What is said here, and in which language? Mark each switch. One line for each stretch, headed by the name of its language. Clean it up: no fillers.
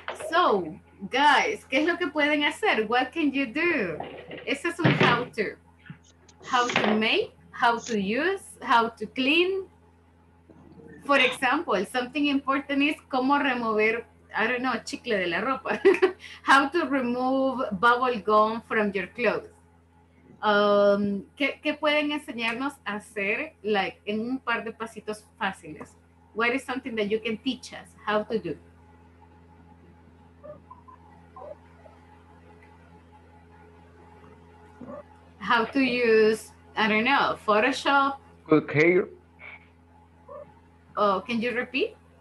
Spanish: So, guys, ¿qué es lo que pueden hacer?
English: What can you do?
Spanish: Ese es un
English: how to. How to make, how to use, how to clean. For example, something important is
Spanish: cómo remover,
English: I don't know,
Spanish: chicle de la ropa.
English: How to remove bubble gum from your clothes.
Spanish: ¿Qué pueden enseñarnos a hacer like en un par de pasitos fáciles?
English: What is something that you can teach us how to do? How to use, I don't know, Photoshop. Cook hair. Oh, can you repeat?